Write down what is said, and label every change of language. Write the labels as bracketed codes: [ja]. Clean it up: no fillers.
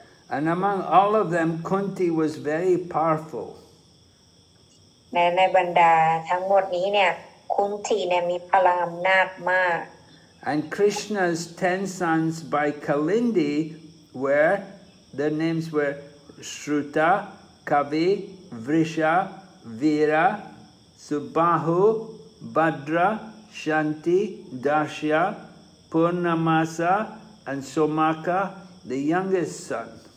[en] And among all of them, Kunti was very powerful. [th] ในบรรดาทั้งหมดนี้เนี่ย Kunti เนี่ยมีพลังอำนาจมาก [en] And Krishna's 10 sons by Kalindi were, their names were Shruta, Kavi, Vrisha, Veera, Subahu, Bhadra, Shanti, Dasya, Purnamasa,And Somaka, the youngest son.